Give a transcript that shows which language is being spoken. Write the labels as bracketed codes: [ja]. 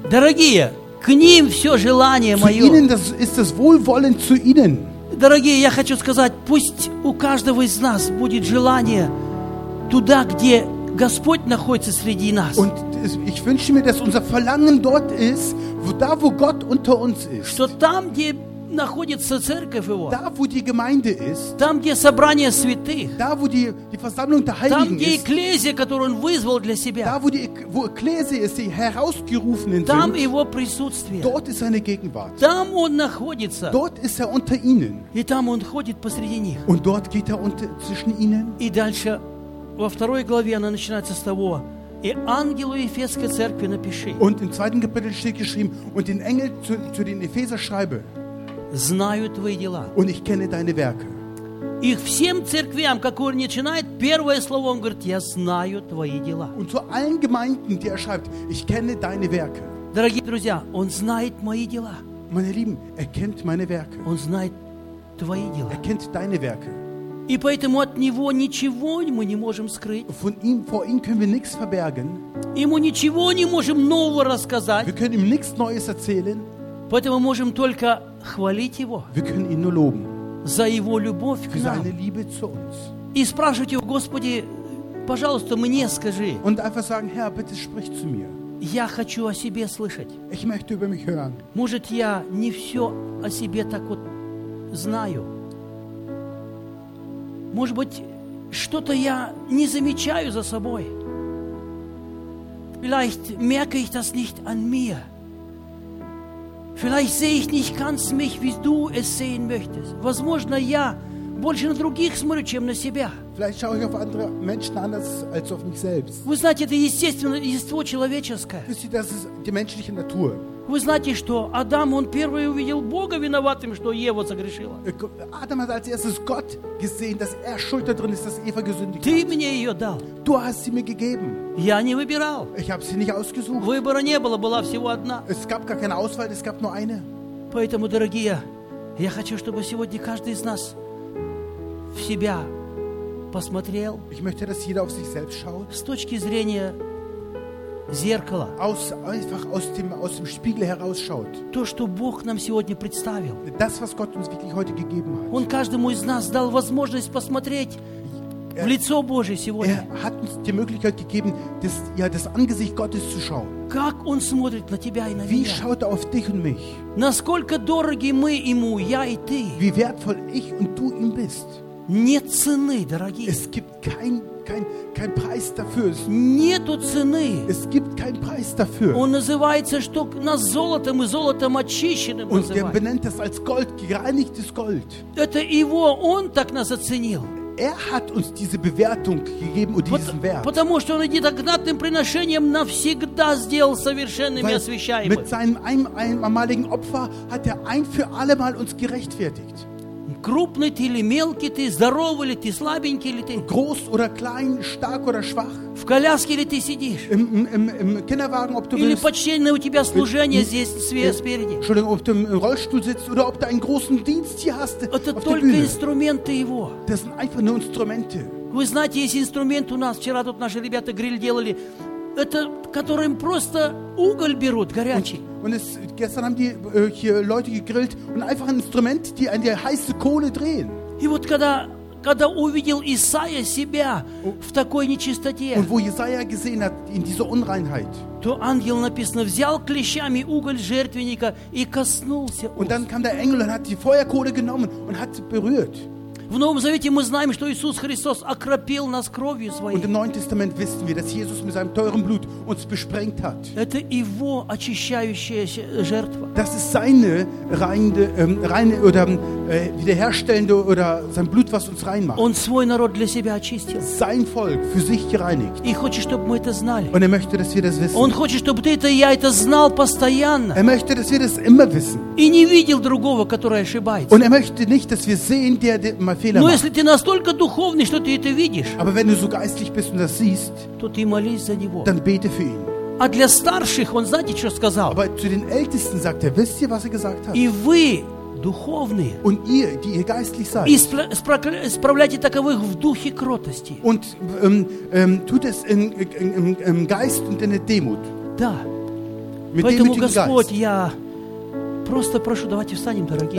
[ru] Дорогие, к ним все желание [de] zu [ru] мое. [de] Zu ihnen das ist das Wohlwollen zu ihnen. [ru] Дорогие, я хочу сказать, пусть у каждого из нас будет желание туда, где Господь находится среди нас. [de] Und ich wünsche mir, dass unser Verlangen dort ist, wo Gott unter uns ist. [ru] Что там, где находится церковь его. [de] Da, wo die Gemeinde ist. [ru] Там, где собрание святых. [de] Da, wo die Versammlung der Heiligen [ru] там, где экклезия, которую он вызвал для себя. [de] Da, wo Ekklesia ist, die herausgerufenen [ru] там [de] sind. [ru] Его присутствие. [de] Dort ist seine Gegenwart. [ru] Там он находится. [de] Dort ist unter ihnen. [ru] И там он ходит посреди них. [de] Und dort geht zwischen ihnen. [ru] И дальше, во второй главе она начинается с того, и ангелу Ефесской церкви напиши. [de] Und im zweiten Kapitel steht geschrieben, und den Engel zu den Epheser schreibe. [ru] Знаю твои дела. [de] Und ich kenne deine Werke. [ru] Их всем церквям, как он начинает, первое слово он говорит, я знаю твои дела. [de] Und zu allen Gemeinden, die schreibt, ich kenne deine Werke. [ru] Дорогие друзья, он знает мои дела. [de] Meine Lieben, kennt meine Werke. [ru] Он знает твои дела. [de] Kennt deine Werke. [ru] И поэтому от него ничего мы не можем скрыть. [de] Von ihm, vor ihm können wir nichts verbergen. [ru] Ему ничего не можем нового рассказать. [de] Wir können ihm nichts Neues erzählen. [ru] Поэтому можем только хвалить Его [de] wir können ihn nur loben, [ru] за Его любовь к [de] für seine [ru] нам [de] Liebe zu uns. [ru] И спрашивать Его, Господи, пожалуйста, мне скажи. [de] Und einfach sagen, Herr, bitte sprich zu mir. [ru] Я хочу о себе слышать. [de] Ich möchte über mich hören. [ru] Может, я не все о себе так вот знаю. Может быть, что-то я не замечаю за собой. [de] Vielleicht merke ich das nicht an mir. Vielleicht sehe ich nicht ganz mich, wie du es sehen möchtest. [ru] Возможно, я больше на других смотрю, чем на себя. [de] Vielleicht schaue ich auf andere Menschen anders als auf mich selbst. [ru] Вы знаете, это естественное естество человеческое. [de] Wisst ihr, das ist die menschliche Natur. [ru] Вы знаете, что Адам, он первый увидел Бога виноватым, что Ева согрешила. [de] Adam hat als erstes Gott gesehen, dass schuld darin ist, dass Eva gesündigt [ru] ты мне ее дал. [de] Du hast sie mir gegeben. [ru] Я не выбирал. [de] Ich habe sie nicht ausgesucht. [ru] Выбора не было, была всего одна. [de] Es gab gar keine Auswahl, es gab nur eine. [ru] Поэтому, дорогие, я хочу, чтобы сегодня каждый из нас в себя посмотрел. [de] Ich möchte, dass jeder auf sich selbst schaut. [ru] С точки зрения зеркало. [de] Einfach aus dem Spiegel herausschaut. [ru] То, что Бог нам сегодня представил. [de] Das, was Gott uns wirklich heute gegeben hat. [ru] Он каждому из нас дал возможность посмотреть. в лицо Божие сегодня. [de] Er hat uns die Möglichkeit gegeben, das, ja, das Angesicht Gottes zu schauen. [ru] Как он смотрит на тебя и на меня? [de] Wie schaut er auf dich und mich? [ru] Насколько дороги мы ему, я и ты? [de] Wie wertvoll ich und du ihm bist? [ru] Нет цены, дорогие. [de] Es gibt kein Preis dafür. [ru] Нету цены. [de] Es gibt keinen Preis dafür. [ru] Он называется, что нас золотом и золотом очищенным [de] und [ru] называет. [de] Und er benennt das als Gold, gereinigtes Gold. [ru] Это его, он так нас оценил. [de] Er hat uns diese Bewertung gegeben und diesen Wert. [ru] Потому что он идет огнатым приношением навсегда сделал совершенным и освящаемым. [de] Mit seinem einmaligen Opfer hat er ein für alle Mal uns gerechtfertigt. [ru] Крупный ты или мелкий ты, здоровый ли ты, слабенький ли ты? [de] Groß oder klein, stark oder schwach? [ru] В коляске ли ты сидишь? [de] Im Kinderwagen, ob du [ru] или почтенное у тебя служение здесь спереди? [de] Entschuldigung, ob du im Rollstuhl sitzt oder ob du einen großen Dienst hier hast. [ru] Это только инструменты его. [de] Das sind einfach nur Instrumente. [ru] Вы знаете, есть инструмент у нас. Вчера тут наши ребята гриль делали. Это которым просто уголь берут горячий. [de] Gestern haben die hier Leute gegrillt und einfach ein Instrument, die an der heiße Kohle drehen. [ru] И вот когда увидел Исаия себя в такой нечистоте. [de] Und wo Jesaja gesehen hat in dieser Unreinheit. [ru] То ангел написано взял клещами уголь жертвенника и коснулся. [de] Und dann kam der Engel und hat die Feuerkohle genommen und hat sie berührt. [ru] В Новом Завете мы знаем, что Иисус Христос окропил нас кровью своей. [de] Und im Neuen Testament wissen wir, dass Jesus mit seinem teuren Blut uns besprengt hat. [ru] Это его очищающая жертва. [de] Das ist seine wiederherstellende oder sein Blut, was uns reinmacht. [ru] Он свой народ для себя очистил. [de] Sein Volk für sich gereinigt. [ru] И хочет, чтобы мы это знали. [de] Und er möchte, dass wir das wissen. [ru] Он хочет, чтобы ты это и я это знал постоянно. [de] Er möchte, dass wir das immer wissen. [ru] И не видел другого, который ошибается. [de] Und er möchte nicht, dass wir sehen, der [ru] Но если ты настолько духовный, что ты это видишь, [de] aber wenn du so geistlich bist und das siehst, [ru] то ты молись за него. [de] Dann bete für ihn. [ru] А для старших он знаете, что сказал? [de] Aber zu den Ältesten sagt er, wisst ihr, was er gesagt hat? [ru] И вы, духовные, [de] und ihr, die ihr geistlich seid, [ru] исправляйте таковых в духе кротости. [de] Und tut es im Geist und in der Demut. [ru] Да. [de] Mit [ru] Поэтому, Господь, [de] Geist. [ru] Я просто прошу, давайте встанем, дорогие.